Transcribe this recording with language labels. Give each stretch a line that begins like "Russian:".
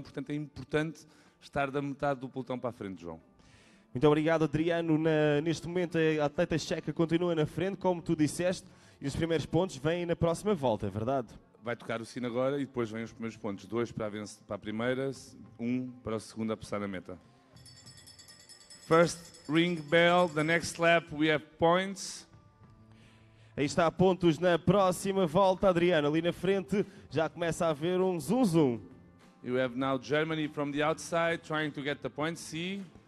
Portuguese: Portanto, é importante estar da metade do pelotão para a frente, João. Muito obrigado, Adriano. Neste momento a atleta checa continua na frente, como tu disseste, e os primeiros pontos vêm na próxima volta, é verdade? Vai tocar o sino agora e depois vêm os primeiros pontos. 2 para a primeira, 1 para a segunda a passar na meta.
English: First ring bell, the next lap we have points.
Portuguese: Aí está, pontos na próxima volta, Adriano. Ali na frente já começa a haver um zoom zoom.
English: You have now Germany from the outside trying to get the points, see?